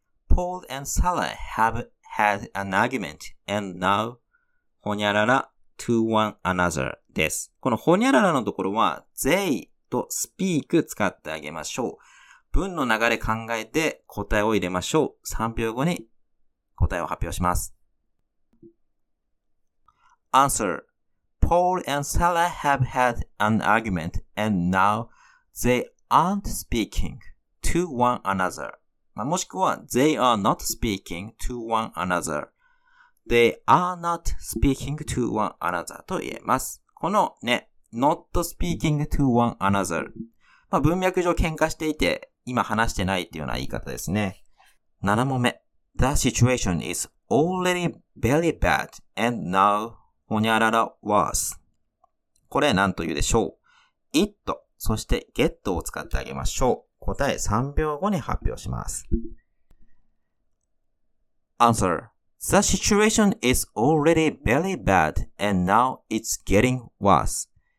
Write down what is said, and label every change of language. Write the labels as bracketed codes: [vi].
[en] Paul and Sally have had an argument and nowほにゃらら to one another です。 [ja] このほにゃららのところは they と speak 使ってあげましょう。文の流れ考えて答えを入れましょう。3秒後に答えを発表します。 [en] Answer. Paul and Sarah have had an argument and now they aren't speaking to one another. もしくは they are not speaking to one another. They are not speaking to one another [ja] と言えます。 [en] このね、not speaking to one another。 [ja] まあ文脈上喧嘩していて、今話してないっていうような言い方ですね。 7問目。 [en] The situation is already very bad and now, ほにゃらら worse。 [ja] これ何と言うでしょう。it、そして get を使ってあげましょう。答え3秒後に発表します。 [en] Answer. The situation is already very bad and now it's getting worse.